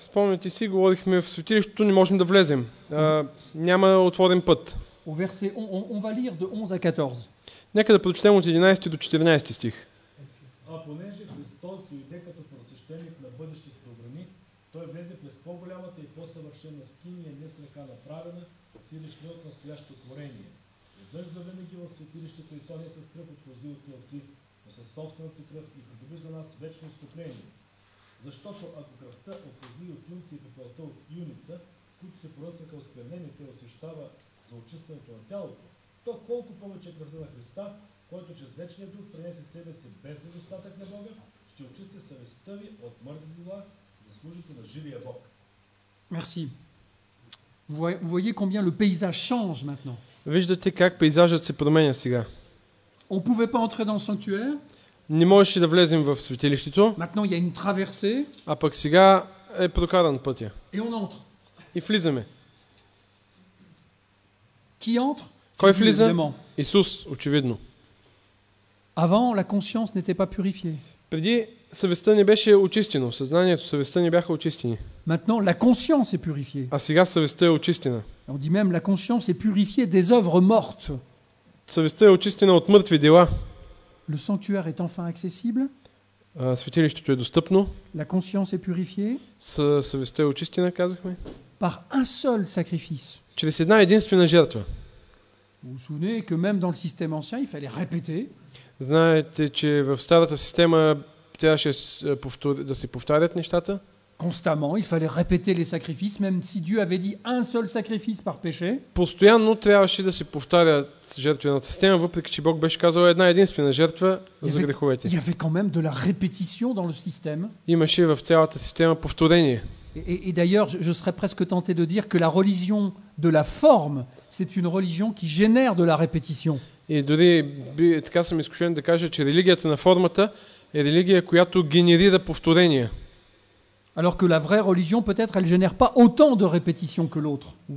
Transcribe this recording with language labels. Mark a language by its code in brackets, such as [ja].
[bg] Спомняте си, говорихме в светилището, не можем да влезем. Няма отворен път. [fr] Au verset, on va lire de 11 à 14. [bg] Нека да прочетем от 11 до 14 стих. А понеже Христос дойде като просвещеник на бъдещите програми, той влезе през по-голямата и по-съвършена скиния, не слегка направена, силищна от настоящото творение. Веднъж за винаги в светилището и то не с кръв от кози от лъци, но със собствена си кръв и придоби за нас вечно отступление. Защото ако кръвта от кози от юнци и попълта от юница, с които се поръсваха осквернените, освещава за очистването на тялото, то колко повече кръвта на Христа, който чрез вечния дух пренесе себе си без недостатък на Бога, ще очисти съвестта ви от мъртви дела, за да служите на живия Бог. Мерси. [fr] Vous voyez combien le paysage change maintenant. [bg] Виждате как пейзажът се променя сега. [fr] On pouvait pas entrer dans le sanctuaire. [bg] Не можеше да влезем в светилището. [fr] Maintenant il y a une traversée. [bg] А пък сега е прокаран пътя. [fr] Et on entre. [bg] И влизаме. [fr] Qui entre? [bg] Кой влиза? Исус, очевидно. [fr] Avant la conscience n'était pas purifiée. [bg] Преди съвестта не беше очистено, съзнанието, съвестта не бяха очистени. [fr] Maintenant la conscience est purifiée. [bg] А сега съвестта е очистена. [fr] On dit même la conscience est purifiée des œuvres mortes. [bg] Съвестта е очистена от мъртви дела. [fr] Le sanctuaire est enfin accessible. [bg] Светилището е достъпно. [fr] La conscience est purifiée. [bg] Съвестта е очистена, казахме. [fr] Par un seul sacrifice. [bg] Чрез една единствена жертва. [fr] Vous souvenez que même dans le système ancien, il fallait répéter. [bg] Знаете, че в старата система трябваше да се повтарят нещата. [fr] Constamment, il fallait répéter les sacrifices, même si Dieu avait dit un seul sacrifice par péché. [bg] Постоянно трябваше да се повтарят жертвената система, въпреки че Бог беше казал една единствена жертва за греховете. [fr] Il y avait quand même de la répétition dans le système. [bg] Имаше в цялата система повторение. [fr] Et d'ailleurs, je serais presque tenté de dire que la religion de la forme, c'est une religion qui génère de la répétition. [bg] Et дори така съм изкушен да кажа, че религията на формата е религия, която генерира повторение. [fr] Alors que la vraie religion, peut-être, elle ne génère pas autant de répétitions que l'autre.